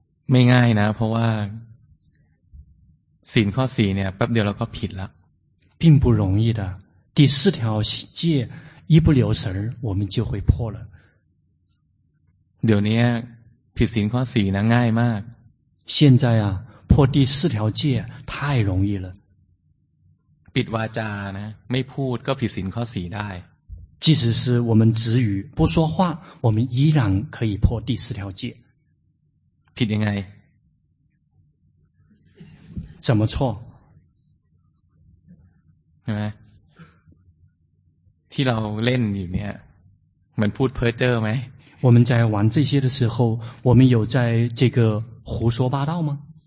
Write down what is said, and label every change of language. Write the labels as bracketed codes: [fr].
[th] ไม่ง่ายนะเพราะว่าศีลข้อ4เนี่ยแป๊บเดียวเราก็ผิดละ [zh] 并不容易的第四条戒一不留神我们就会破了 [th] เดี๋ยวนี้ผิดศีลข้อ4นะง่ายมาก [zh] 现在啊破第四条戒太容易了 [th] ปิดวาจานะไม่พูดก็ผิดศีลข้อ4ได้ [zh] 即使是我们止语不说话我们依然可以破第四条戒 [th] ผิดยังไง [zh] 怎么错 [th] ใช่ไหมที่เราเล่นอยู่เนี่ยมันพูดเพ้อเจ้อไหม [zh] 我们在玩这些的时候我们有在这个胡说八道吗